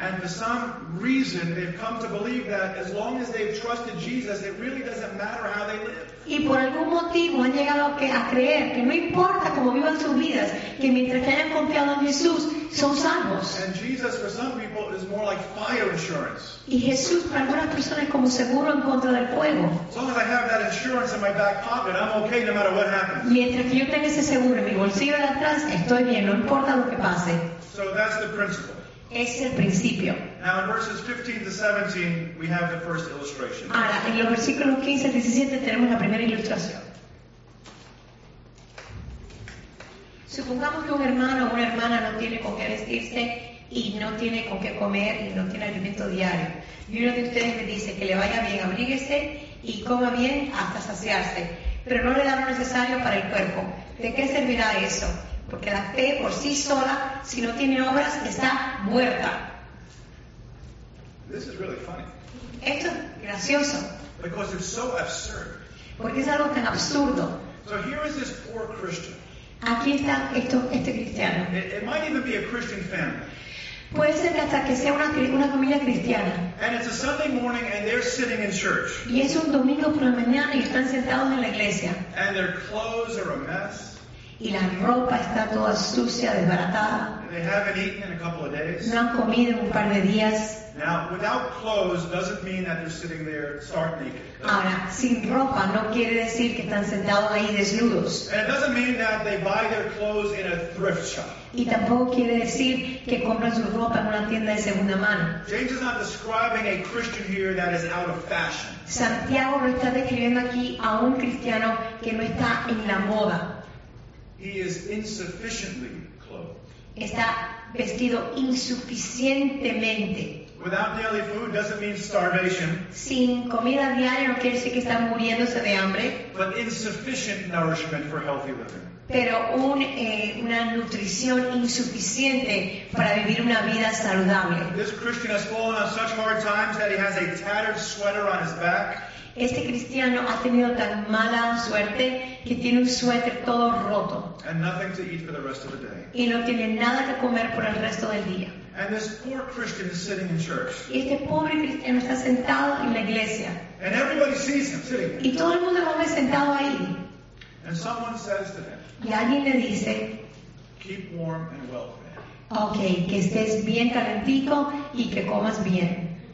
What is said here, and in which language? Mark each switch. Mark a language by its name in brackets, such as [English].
[English] And for some reason they've come to believe that as long as they've trusted Jesus, it really doesn't matter how they live. [Spanish] Y por algún motivo han llegado a creer que no importa cómo vivan sus vidas, que mientras que hayan confiado en Jesús, son salvos. [English] And Jesus for some people is more like fire insurance. [Spanish] Y Jesús para algunas personas es como seguro en contra del fuego. [English] As long as I have that insurance in my back pocket, I'm okay no matter what happens. [Spanish] Mientras que yo tenga ese seguro en mi bolsillo de atrás, estoy bien, no importa lo que pase. [English] So that's the principle. [Spanish] Es el principio. [English] Now in verses 15 to 17 we have the first illustration. [Spanish] Ahora, en los versículos 15 al 17 tenemos la primera ilustración. Supongamos que un hermano o una hermana no tiene con qué vestirse y no tiene con qué comer y no tiene alimento diario. Y uno de ustedes me dice que le vaya bien, abríguese y coma bien hasta saciarse, pero no le da lo necesario para el cuerpo. ¿De qué servirá eso? Porque la fe por sí sola, si no tiene obras, está muerta. [English] This is really funny. [Spanish] Esto es gracioso. [English] Because it's so absurd. [Spanish] Porque es algo tan absurdo. [English] So here is this poor Christian. [Spanish] Aquí está este cristiano. [English] It might even be a Christian family. [Spanish] Puede ser que hasta que sea una familia cristiana. [English] And it's a Sunday morning and they're sitting in church. [Spanish] Y es un domingo por la mañana y están sentados en la iglesia. [English] And their clothes are a mess. [Spanish] Y la ropa está toda sucia, desbaratada. [English] They haven't eaten in a couple of days. [Spanish] No han comido en un par de días. [English] Now, without clothes doesn't mean that they're sitting there stark naked. [Spanish] Ahora, sin ropa no quiere decir que están sentados ahí desnudos. [English] And it doesn't mean that they buy their clothes in a thrift shop. [Spanish] Y tampoco quiere decir que compran su ropa en una tienda de segunda mano. [English] James is not describing a Christian here that is out of fashion. [Spanish] Santiago no está describiendo aquí a un cristiano que no está en la moda. [English] He is insufficiently clothed. [Spanish] Está vestido insuficientemente. [English] Without daily food doesn't mean starvation. [Spanish] Sin comida diaria no quiere decir que está muriéndose de hambre. [English] But insufficient nourishment for healthy living. [Spanish] Pero una nutrición insuficiente para vivir una vida saludable. [English] This Christian has fallen on such hard times that he has a tattered sweater on his back. [Spanish] Este cristiano ha tenido tan mala suerte que tiene un suéter todo roto. [English] And nothing to eat for the rest of the day. [Spanish] Y no tiene nada que comer por el resto del día. [English] And this poor Christian is sitting in church. [Spanish] Y este pobre cristiano está sentado en la iglesia. [English] And everybody sees him sitting. [Spanish] Y todo el mundo lo ve sentado ahí. [English] And someone says to him, [Spanish] y alguien le dice, [English] keep warm and well fed. [Spanish] Okay, que estés bien calentito y que comas bien.